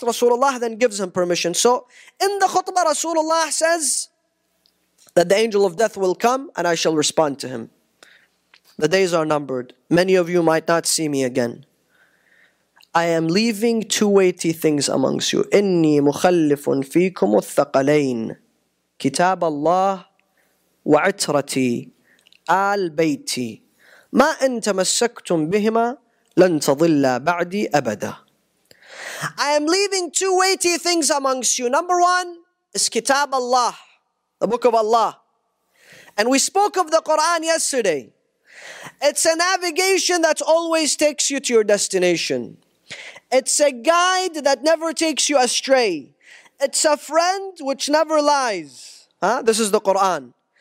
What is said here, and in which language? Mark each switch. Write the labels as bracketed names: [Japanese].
[English] Rasulullah then gives him permission. So in the khutbah, Rasulullah says that the angel of death will come and I shall respond to him. The days are numbered. Many of you might not see me again. I am leaving two weighty things amongst you. [Arabic] إِنِّي مُخَلِّفٌ فِيكُمُ الثَّقَلَيْنِ كِتَابَ اللَّهِ وعترتي آل بيتي ما إن تمسكتم بهما لن تضل بعدي أبدا. [English] I am leaving two weighty things amongst you. Number one is Kitab Allah, the Book of Allah. And we spoke of the Quran yesterday. It's a navigation that always takes you to your destination. It's a guide that never takes you astray. It's a friend which never lies. This is the Quran.